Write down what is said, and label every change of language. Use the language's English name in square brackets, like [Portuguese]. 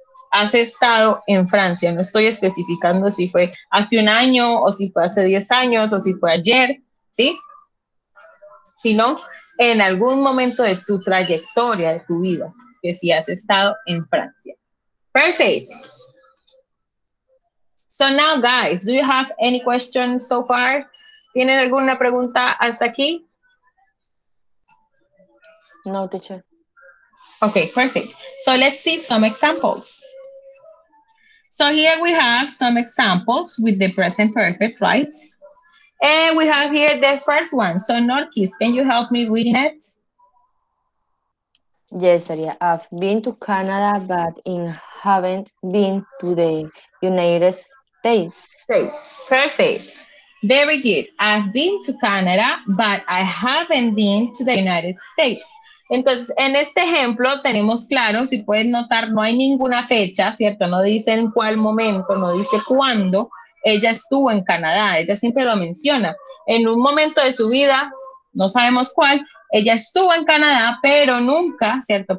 [Spanish] Has estado en Francia. No estoy especificando si fue hace un año o si fue hace 10 años o si fue ayer, ¿sí? Sino en algún momento de tu trayectoria, de tu vida, que si has estado en Francia. [English] Perfect. So now, guys, do you have any questions so far? ¿Tienen alguna pregunta hasta aquí? No, teacher. Okay, perfect. So let's see some examples. So here we have some examples with the present perfect, right? And we have here the first one. So Norquis, can you help me reading it? Yes, Aria. I've been to Canada, but I haven't been to the United States. States. Perfect. Very good. I've been to Canada, but I haven't been to the United States. [Spanish] Entonces, en este ejemplo tenemos claro, si pueden notar, no hay ninguna fecha, ¿cierto? No dice en cuál momento, no dice cuándo ella estuvo en Canadá, ella siempre lo menciona. En un momento de su vida, no sabemos cuál, ella estuvo en Canadá, pero nunca, ¿cierto?